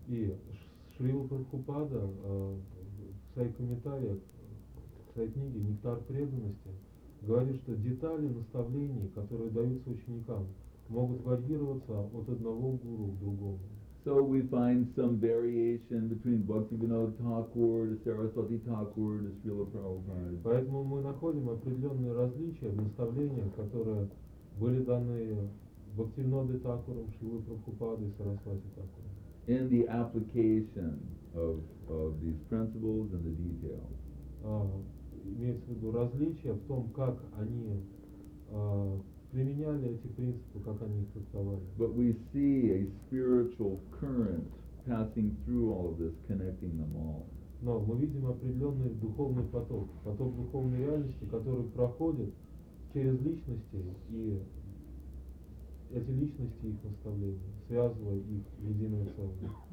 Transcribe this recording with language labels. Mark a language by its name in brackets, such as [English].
[Russian] И Шрила Прабхупада в своих комментариях к своей книге «Нектар преданности» говорит, что детали наставлений, которые даются ученикам, могут варьироваться от одного гуру к другому. [English] So we find some variation between Bhaktivinoda Thakur, Saraswati Thakur, Srila Prabhupada. [Russian] Поэтому мы находим определенные различия в наставлениях, которые были даны Бхактивинодой Такуром, Шрилой Прабхупадой и Сарасвати Такуром. [English] In the application of these principles and the details. [Russian] Имеется в виду различия в том, как они применяли эти принципы, как они их трактовали. [English] But we see a spiritual current passing through all of this, connecting them all. [Russian] Но мы видим определенный духовный поток, поток духовной реальности, который проходит через личности и эти личности и их наставления связывали их в единое целое.